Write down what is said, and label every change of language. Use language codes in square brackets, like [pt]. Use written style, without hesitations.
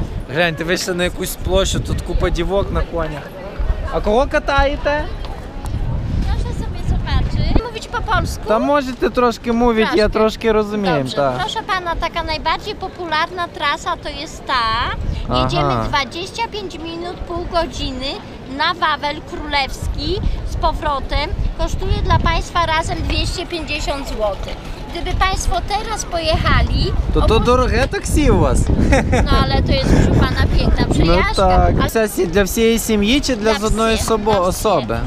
[uk] Гляньте, вийшли на якусь площу, тут купа дівок на конях. А кого катаєте? Я ще собі заперчую. Мовіть по-польську? Та можете трошки мовити, трошки. Я трошки розумію. Добре, так. Прошу пана, така найбільш популярна траса то є та. Ідемо 25 хвилин, пів години. [pl] На Wawel Królewski z powrotem kosztuje dla Państwa razem 250 zł. Gdyby Państwo teraz pojechali... To drogie taksi u Was. No ale to jest, proszę Pana, piękna przejażdżka. No tak. Ale... Dla [uk] всієї сім'ї [pl] czy dla z [uk] одної особи?